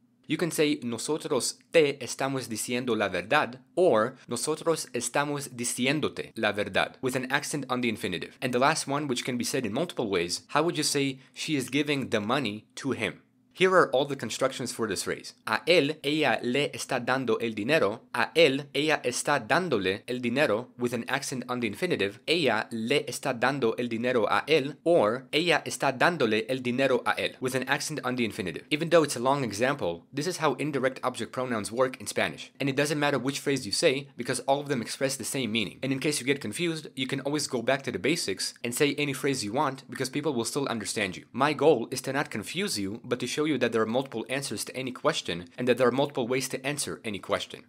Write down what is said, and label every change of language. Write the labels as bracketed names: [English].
[English] You can say [Spanish] nosotros te estamos diciendo la verdad, [English] or [Spanish] nosotros estamos diciéndote la verdad, [English] with an accent on the infinitive. And the last one, which can be said in multiple ways, how would you say she is giving the money to him? Here are all the constructions for this phrase. [Spanish] A él, ella le está dando el dinero. A él, ella está dándole el dinero, [English] with an accent on the infinitive. [Spanish] Ella le está dando el dinero a él. [English] Or, [Spanish] ella está dándole el dinero a él, [English] with an accent on the infinitive. Even though it's a long example, this is how indirect object pronouns work in Spanish. And it doesn't matter which phrase you say, because all of them express the same meaning. And in case you get confused, you can always go back to the basics and say any phrase you want, because people will still understand you. My goal is to not confuse you, but to show you that there are multiple answers to any question, and that there are multiple ways to answer any question.